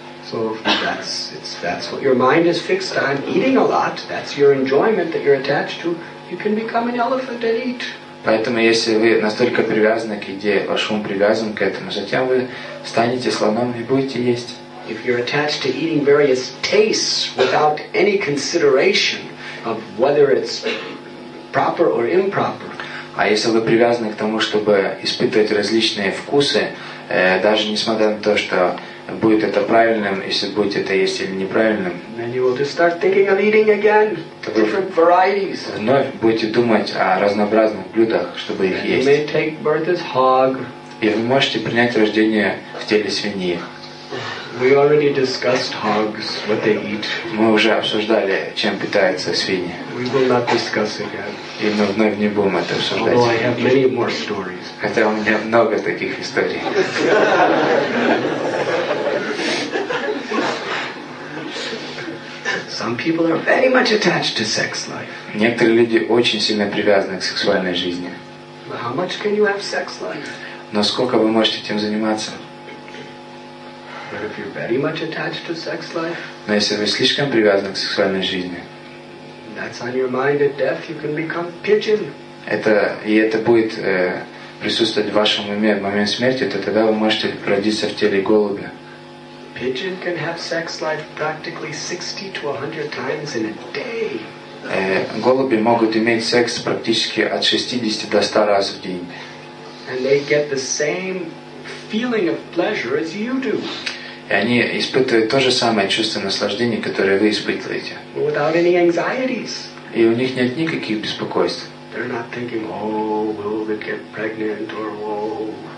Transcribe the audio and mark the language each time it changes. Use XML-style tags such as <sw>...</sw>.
<en>So that's what your mind is fixed on, eating a lot. That's your enjoyment that you're attached to. You can become an elephant and eat.</en> <ru>Поэтому если вы настолько привязаны к еде, ваш ум привязан к этому, затем вы станете слоном и будете есть.</ru> <en>If you're attached to eating various tastes without any consideration of whether it's proper or improper.</en> <ru>А если вы привязаны к тому, чтобы испытывать различные вкусы, даже несмотря на то, что будет это правильным, если будет это есть или неправильным.</ru> <en>Then you will just start thinking of eating again. Different varieties.</en> <ru>Вновь будете думать о разнообразных блюдах, чтобы их</ru> <en>and</en> <ru>есть.</ru> <en>You may take birth as hog.</en> <ru>И вы можете принять рождение в теле свиньи.</ru> <en>We already discussed hogs, what they eat.</en> <ru>Мы уже обсуждали, чем питаются свиньи.</ru> <en>We will not discuss again.</en> <ru>И мы вновь не будем это обсуждать.</ru> <en>Although I have many more stories.</en> <ru>Хотя у меня много таких историй.</ru> <en>Some people are very much attached to sex life.</en> <ru>Некоторые люди очень сильно привязаны к сексуальной жизни.</ru> <en>How much can you have sex life?</en> <ru>Насколько вы можете этим заниматься?</ru> <en>But if you're very much attached to sex life.</en> <ru>Но если вы слишком привязаны к сексуальной жизни.</ru> <en>That's on your mind at death. You can become pigeon.</en> <ru>Это будет присутствовать в вашем уме в момент смерти, то тогда вы можете родиться в теле голубя.</ru> <en>Pigeon can have sex life practically 60 to 100 times in a day.</en> <ru>Голуби могут иметь секс практически от 60 до 100 раз в день.</ru> <en>And they get the same feeling of pleasure as you do.</en> <ru>И они испытывают то же самое чувство наслаждения, которое вы испытываете.</ru> <en>Without any anxieties.</en> <ru>И у них нет никаких беспокойств.</ru> <en>They're not thinking, oh, will they get pregnant or oh.</en>